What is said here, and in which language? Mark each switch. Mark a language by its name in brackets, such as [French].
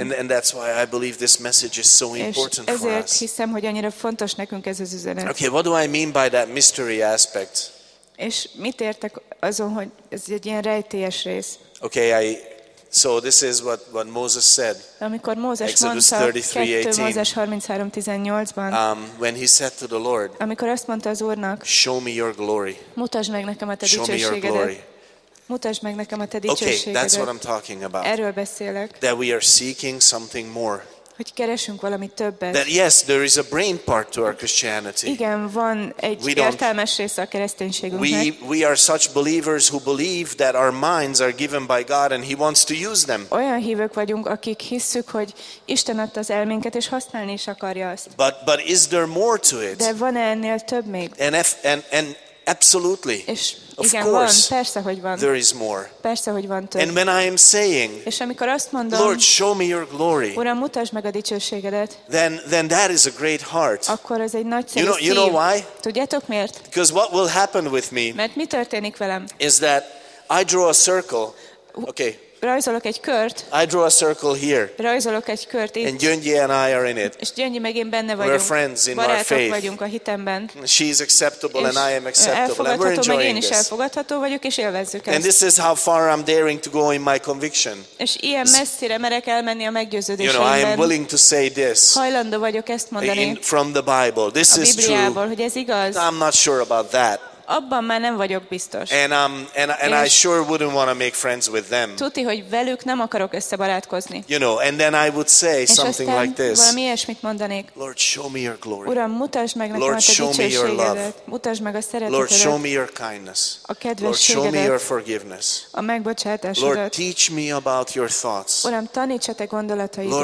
[English] And that's why I believe this message is so important for us. [Hungarian] És ezért hiszem, hogy annyira fontos nekünk ez az üzenet. [English] Okay, what do I mean by that mystery aspect? [Hungarian] És mit értek azon, hogy ez egy ilyen rejtélyes rész? [English] Okay, so this is what Moses said. [Hungarian] Amikor Mózes mondta 2. Mózes 33:18-ban. [English] When he said to the Lord. [Hungarian] Amikor azt mondta az Úrnak. [English] Show me your glory. [Hungarian] Mutasd meg nekem a te dicsőségedet. Mutasd meg nekem a te dicsőségedet. [English] Okay, that's what I'm talking about. [Hungarian] Erről beszélek. [English] That we are seeking something more. [Hungarian] Hogy keresünk valami többet. [English] That yes, there is a brain part to our Christianity. [Hungarian] Igen, van egy értelmes része a kereszténységünknek. [English] We are such believers who believe that our minds are given by God and he wants to use them. [Hungarian] Olyan hívők vagyunk, akik hisszük, hogy Isten adta az elménket és használni is akarja azt. [English] But is there more to it? [Hungarian] De van ennél több még? [English] And absolutely. [Hungarian] És igen, [English] of course, [Hungarian] van, persze, hogy van. [English] There is more. [Hungarian] Persze, hogy van több. [English] And when I am saying, [Hungarian] és amikor azt mondom, [English] Lord, show me your glory. [Hungarian] Uram, mutasd meg a dicsőségedet. [English] Then that is a great heart. [Hungarian] Akkor ez egy nagy szív. [English] You know why? [Hungarian] Tudjátok miért? [English] Because what will happen with me? [Hungarian] Mert mi történik velem? [English] Is that I draw a circle. Okay. [Hungarian] Rajzolok egy kört. [English] I draw a circle here. [Hungarian] Rajzolok egy kört itt. [English] And Gyöngyi and I are in it. [Hungarian] És Gyöngyi meg én benne vagyunk. [English] We're friends in [Hungarian] barátok [English] our faith. [Hungarian] Vagyunk a hitemben. [English] She is acceptable és and I am acceptable. And we're enjoying [Hungarian] meg én is [English] this. [Hungarian] Elfogadható vagyok és élvezzük ezt. [English] And this is how far I'm daring to go in my conviction. [Hungarian] És ilyen messzire merek elmenni a meggyőződésemben. [English] You know, I am willing to say this. [Hungarian] Hajlandó vagyok ezt mondani. [English] From the Bible. This is true. [Hungarian] A Bibliából, hogy ez igaz. [English] I'm not sure about that. [Hungarian] Abban már nem vagyok biztos. [English] And I sure wouldn't want to make friends with them. [Hungarian] Tuti, hogy velük nem akarok összebarátkozni. [English] You know, and then I would say something like this. [Hungarian] És aztán valami ilyesmit mondanék. [English] Lord, show me your glory. [Hungarian] Uram, mutasd meg nekem a te dicsőségedet. Mutasd meg a szeretetedet. [English] Lord, show me your kindness. [Hungarian] A kedvességedet. [English] Lord, show me your forgiveness. [Hungarian] A megbocsátásodat. [English] Lord, teach me about your thoughts. [Hungarian] Uram, taníts a te gondolataidról.